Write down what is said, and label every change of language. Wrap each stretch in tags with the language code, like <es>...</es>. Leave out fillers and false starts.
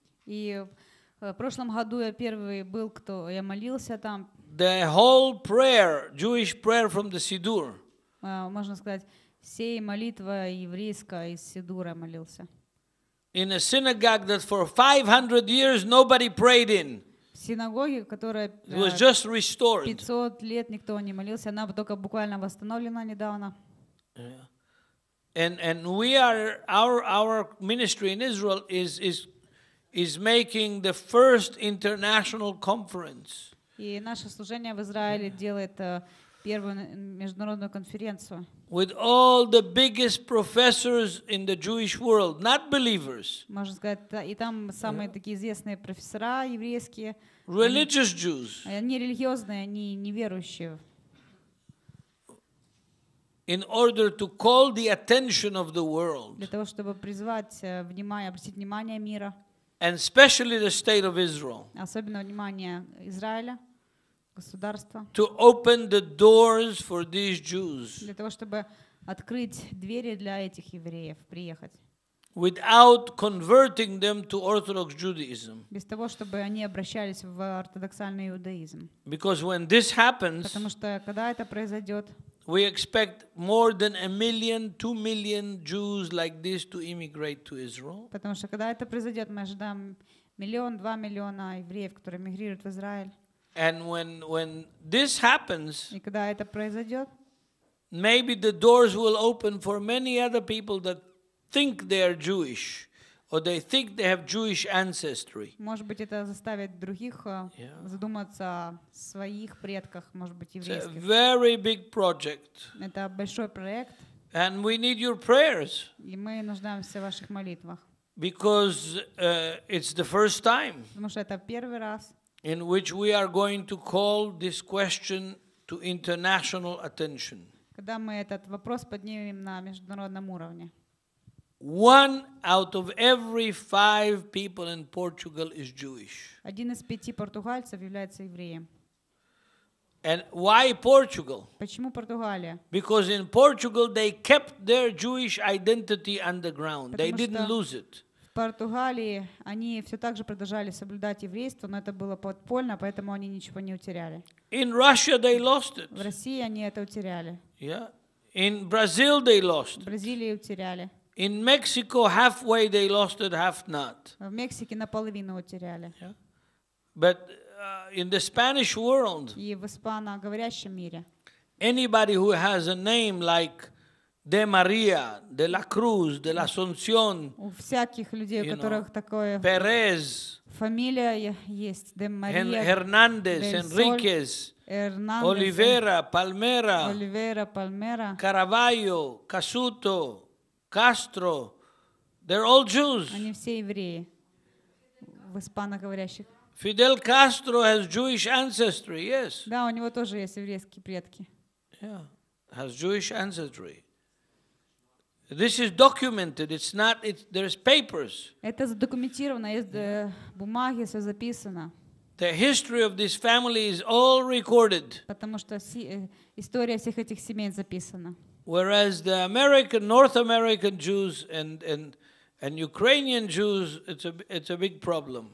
<ru>И в прошлом году я первый был, кто я молился там.</ru> <en>The whole prayer, Jewish prayer from the Siddur.</en> <ru>Можно сказать, всей молитва еврейская из Сидура молился.</ru> <en>In a synagogue that for 500 years nobody prayed in.</en> <ru>Синагоги, которая 500 лет никто не молился, она только буквально восстановлена недавно.</ru> <en>And we are our ministry in Israel is making the first international conference.</en> <ru>И наше служение в Израиле делает первую международную конференцию.</ru> <en>With all the biggest professors in the Jewish world, not believers.</en> <ru>Можно сказать, и там самые такие известные профессора еврейские.</ru> <en>Religious Jews.</en> <ru>Они религиозные, они неверующие.</ru> <en>In order to call the attention of the world.</en> <ru>Для того, чтобы призвать внимание, обратить внимание мира.</ru> <en>And especially the state of Israel.</en> <ru>Особенно внимание Израиля, государства.</ru> <en>To open the doors for these Jews.</en> <ru>Для того, чтобы открыть двери для этих евреев приехать.</ru> <en>Without converting them to Orthodox Judaism.</en> <ru>Без того, чтобы они обращались в ортодоксальный иудаизм.</ru> <en>Because when this happens,</en> <ru>потому что когда это произойдет,</ru> <en>we expect more than 1 million, 2 million Jews like this to immigrate to Israel.</en> <ru>Потому что когда это произойдет, мы ожидаем</ru> <en>1 million, 2 million</en> <ru>евреев, которые мигрируют в Израиль.</ru> <en>And when this happens,</en> <ru>и когда это произойдет,</ru> <en>maybe the doors will open for many other people that think they are Jewish, or they think they have Jewish ancestry.</en> <ru>Может быть, это заставит других задуматься о своих предках, может быть, еврейских.</ru> <en>It's a very big project.</en> <ru>Это большой проект.</ru> <en>And we need your prayers.</en> <ru>И мы нуждаемся в ваших молитвах.</ru> <en>Because it's the first time.</en> <ru>Потому что это первый раз.</ru> <en>In which we are going to call this question to international attention.</en> <ru>Когда мы этот вопрос поднимем на международном уровне.</ru> <en>One out of every 5 people in Portugal is Jewish.</en> <ru>Один из пяти португальцев является евреем.</ru> <en>And why Portugal?</en> <ru>Почему Португалия?</ru> <en>Because in Portugal they kept their Jewish identity underground. They didn't lose it.</en> <ru>В Португалии они все так же продолжали соблюдать еврейство, но это было подпольно, поэтому они ничего не утеряли.</ru> <en>In Russia they lost it.</en> <ru>В России они это утеряли.</ru> <en>Yeah. In Brazil they lost it.</en> <ru>В Бразилии утеряли.</ru> <en>In Mexico, halfway they lost it, half not.</en> <ru>В Мексике наполовину утеряли.</ru> <en>But in the Spanish world,</en> <ru>и в испаноговорящем мире,</ru> <en>anybody who has a name like De Maria, De La Cruz, De La Asunción,</en> <ru>у всяких людей, у которых такое</ru> <en>Perez,</en> <ru>фамилия есть, De Maria,</ru> <en>Hernández, Enríquez,</en> <ru>Hernández,</ru> <en>Oliveira, Palmera,</en> <ru>Oliveira, Palmera,</ru> <en>Caravaggio, Casuto. Castro, they're all Jews.</en> <ru>Они все евреи. В испаноговорящих.</ru> <en>Fidel Castro has Jewish ancestry, yes.</en> <ru>Да, у него тоже есть еврейские предки.</ru> <en>Yeah, has Jewish ancestry. This is documented. It's not. It's there's papers.</en> <ru>Это задокументировано, есть бумаги, все записано.</ru> <en>The history of this family is all recorded.</en> <ru>Потому что история всех этих семей записана.</ru> <en>Whereas the American, North American Jews and Ukrainian Jews, it's a big problem.</en>